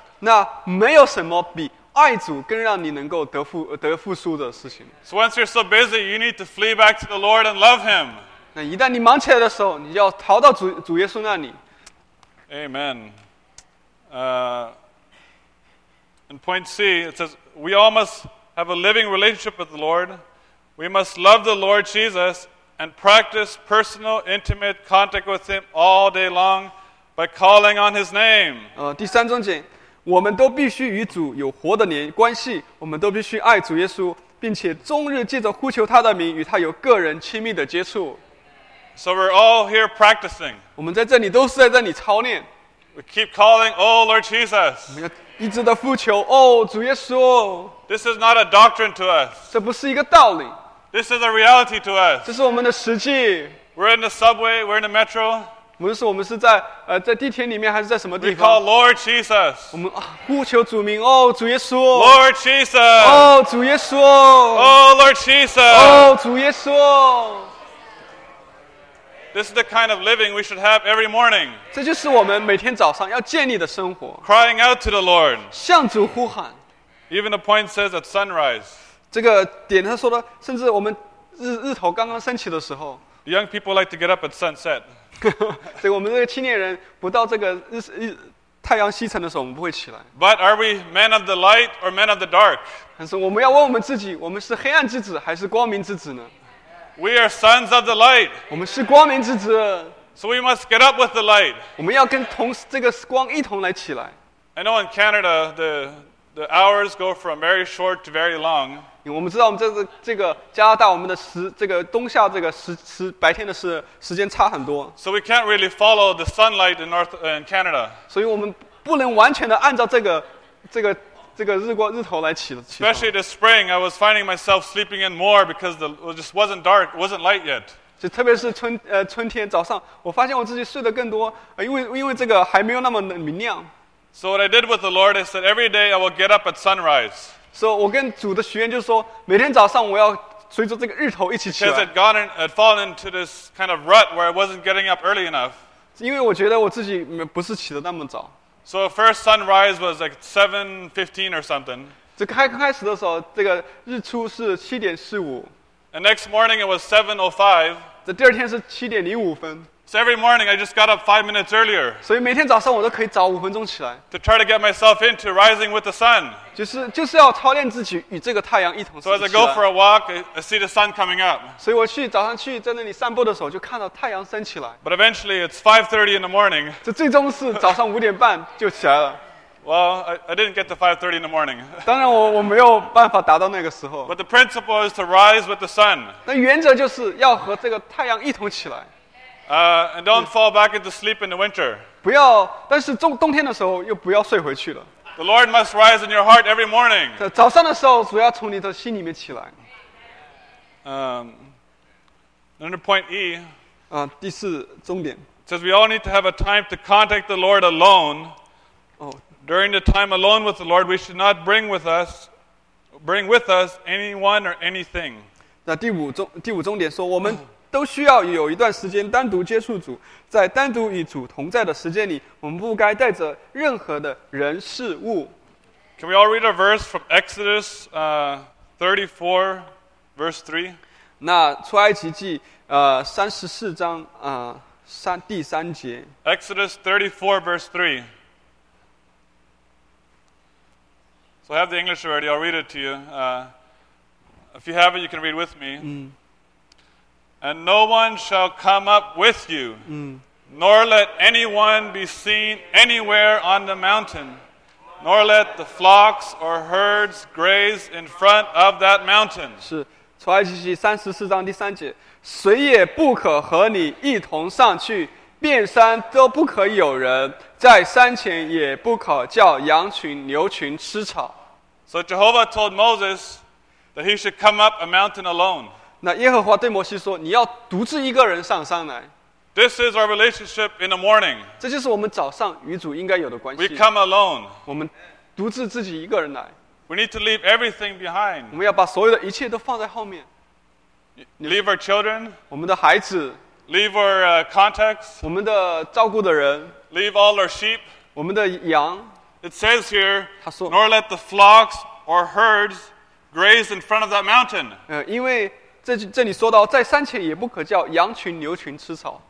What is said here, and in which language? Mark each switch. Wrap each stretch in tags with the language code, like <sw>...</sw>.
<zh>那没有什么比爱主更让你能够得复苏的事情。</zh> <en>So once you're so busy, you need to flee back to the Lord and love Him.</en> <zh>那一旦你忙起来的时候，你要逃到主耶稣那里。</zh> <en>Amen. In point C, it says, we all must have a living relationship with the Lord. We must love the Lord Jesus and practice personal, intimate contact with Him all day long by calling on His name.</en> <zh>第三章节，我们都必须与主有活的连关系，我们都必须爱主耶稣，并且终日借着呼求他的名与他有个人亲密的接触。</zh> <en>So we're all here practicing.</en> <zh>我们在这里都是在这里操练。</zh> <en>We keep calling, Oh Lord Jesus.</en> <zh>我们要一直的呼求，哦，主耶稣。</zh> <en>This is not a doctrine to us.</en> <zh>这不是一个道理。</zh> <en>This is a reality to us.</en> <zh>这是我们的实际。</zh> <en>We're in the subway. We're in the metro.</en> <zh>不是我们是在在地铁里面还是在什么地方</zh> <en>？We call Lord Jesus.</en> <zh>我们呼求主名，哦，主耶稣。</zh> <en>Lord Jesus.</en> <zh>哦，主耶稣。</zh> <en>Oh Lord Jesus.</en> <zh>哦，主耶稣。</zh> <en>This is the kind of living we should have every morning.</en> <zh>这就是我们每天早上要建立的生活。</zh> <en>Crying out to the Lord.</en> <zh>向主呼喊。</zh> <en>Even the point says at sunrise.</en> <zh>这个点他说的，甚至我们日头刚刚升起的时候。</zh> <en>Young people like to get up at sunset.</en> <zh>所以我们这个青年人不到这个太阳西沉的时候，我们不会起来。</zh> <en>But are we men of the light or men of the dark?</en> <zh>但是我们要问我们自己，我们是黑暗之子还是光明之子呢？</zh> <en>We are sons of the light.</en> <zh>我们是光明之子。</zh> <en>So we must get up with the light.</en> <zh>我们要跟同这个光一同来起来。</zh> <en>I know in Canada the hours go from very short to very long.</en> <zh>我们知道我们这个加拿大我们的这个冬夏这个白天的时间差很多。</zh> <en>So we can't really follow the sunlight in Canada.</en> <zh>所以我们不能完全的按照这个日头来起床。</zh> <en>Especially this spring, I was finding myself sleeping in more because it just wasn't dark, wasn't light yet.</en> <zh>就特别是春天早上，我发现我自己睡得更多，因为这个还没有那么明亮。</zh> <en>So what I did with the Lord is that every day I will get up at sunrise.</en> <zh>So 我跟主的许愿就是说，每天早上我要随着这个日头一起起来。</zh> <en>Because had fallen into this kind of rut where I wasn't getting up early enough.</en> <zh>因为我觉得我自己不是起得那么早。</zh> <en>So the first sunrise was like 7:15 or something.</en> <zh>这开始的时候，这个日出是7:45。</zh> <en>And next morning it was 7:05.</en> <zh>这第二天是7:05。</zh> <en>So every morning I just got up 5 minutes earlier.</en> <zh>所以每天早上我都可以早5分钟起来。</zh> <en>To try to get myself into rising with the sun.</en> <zh>就是要操练自己与这个太阳一同升起来。</zh> <en>So as I go for a walk, I see the sun coming up.</en> <zh>所以我去早上去在那里散步的时候，就看到太阳升起来。</zh> <en>But eventually it's 5:30 in the morning.</en> <zh>这最终是早上5:30就起来了。</zh> <en>Well, I didn't get to 5:30 in the morning.</en> <zh>当然我没有办法达到那个时候。</zh> <en>But the principle is to rise with the sun.</en> <zh>那原则就是要和这个太阳一同起来。</zh> <en>And don't fall back into sleep in the winter.</en> <zh>不要，但是冬天的时候又不要睡回去了。</zh> <en>The Lord must rise in your heart every morning.</en> <zh>早上的时候主要从你的心里面起来。</zh> <en>Under point E.</en> <zh>第四重点。</zh> <en>It says we all need to have a time to contact the Lord alone. During the time alone with the Lord, we should not bring with us anyone or anything.</en> <zh>那第五重点说我们。都需要有一段时间单独接触主，在单独与主同在的时间里，我们不该带着任何的人事物。</zh> <en>Can we all read a verse from Exodus 34:3?</en> <zh>那出埃及记34章第三节。</zh> <en>Exodus 34:3. So I have the English already. I'll read it to you. If you have it, you can read with me. And no one shall come up with you, nor let anyone be seen anywhere on the mountain. nor let the flocks or herds graze in front of that mountain.</en> <zh>是出埃及记三十四章第三节，谁也不可和你一同上去，遍山都不可有人，在山前也不可叫羊群牛群吃草。</zh> <en>So Jehovah told Moses that he should come up a mountain alone.</en> <zh>那耶和华对摩西说，你要独自一个人上山来。</zh> <en>This is our relationship in the morning.</en> <zh>这就是我们早上与主应该有的关系。</zh> <en>We come alone.</en> <zh>我们独自自己一个人来。</zh> <en>We need to leave everything behind.</en> <zh>我们要把所有的一切都放在后面。</zh> <en>Leave our children.</en> <zh>我们的孩子。</zh> <en>Leave our contacts.</en> <zh>我们的照顾的人。</zh> <en>Leave all our sheep.</en> <zh>我们的羊。</zh> <en>It says here,</en> <zh>他说,</zh> <en>nor let the flocks or herds graze in front of that mountain.</en> <zh>因为这里说到，在山前也不可叫羊群牛群吃草。</zh>